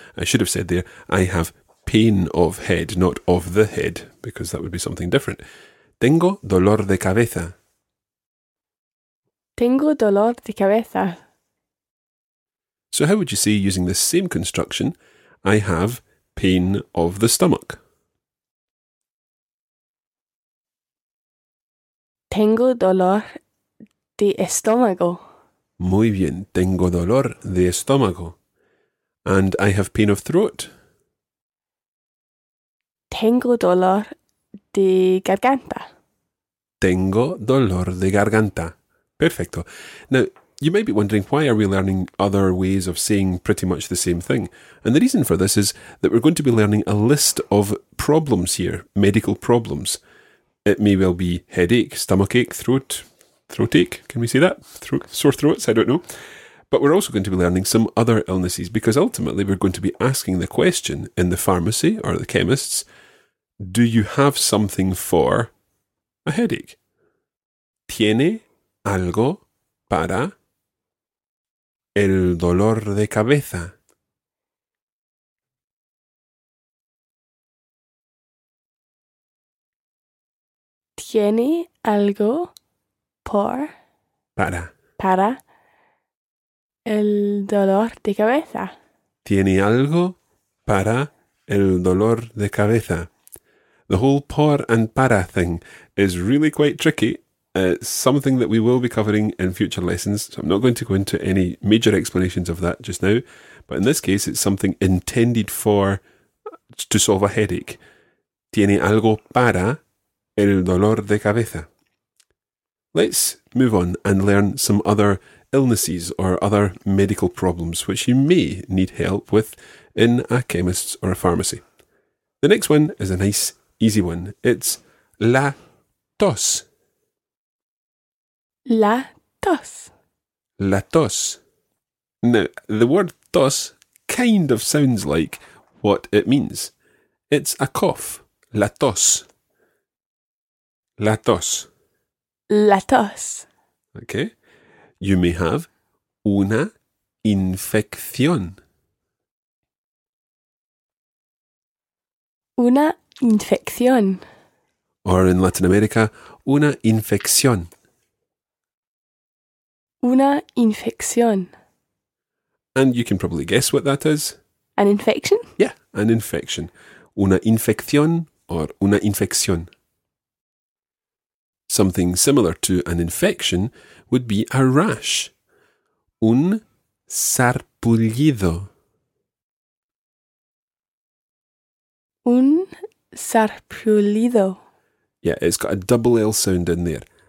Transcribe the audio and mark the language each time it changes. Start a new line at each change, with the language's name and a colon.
English: I should have said there, I have pain of head, not of the head, because that would be something different.
Spanish: Tengo dolor de cabeza. Tengo dolor de cabeza.
English: So how would you say, using the same construction, I have pain of the stomach?
Spanish: Tengo dolor de estómago. Muy bien. Tengo dolor de estómago.
English: And I have pain of throat.
Spanish: Tengo dolor de garganta. Tengo dolor de garganta. Perfecto.
English: Now, you might be wondering, why are we learning other ways of saying pretty much the same thing? And the reason for this is that we're going to be learning a list of problems here, medical problems. It may well be headache, stomachache, throat ache. Can we say that? Sore throats? I don't know. But we're also going to be learning some other illnesses because ultimately we're going to be asking the question in the pharmacy or the chemists, do you have something for a headache?
Spanish: ¿Tiene algo para El dolor de cabeza. ¿Tiene algo por? Para. Para el dolor de cabeza. ¿Tiene algo para el dolor de cabeza?
English: The whole por and para thing is really quite tricky. It's something that we will be covering in future lessons, so I'm not going to go into any major explanations of that just now. But in this case, it's something intended for to solve a headache.
Spanish: ¿Tiene algo para el dolor de cabeza?
English: Let's move on and learn some other illnesses or other medical problems which you may need help with in a chemist's or a pharmacy. The next one is a nice, easy one.
Spanish: It's la tos. La tos. La tos.
English: Now, the word tos kind of sounds like what it means. It's a cough.
Spanish: La tos. La tos. La tos.
English: Okay. You may have
Spanish: una infección. Una infección.
English: Or in Latin America,
Spanish: una infección. Una infección.
English: And you can probably guess what that is. An infection? Yeah, an infection.
Spanish: Una infección or una infección.
English: Something similar to an infection would be a rash.
Spanish: Un sarpullido. Un sarpullido.
English: Yeah, it's got a double L sound in there.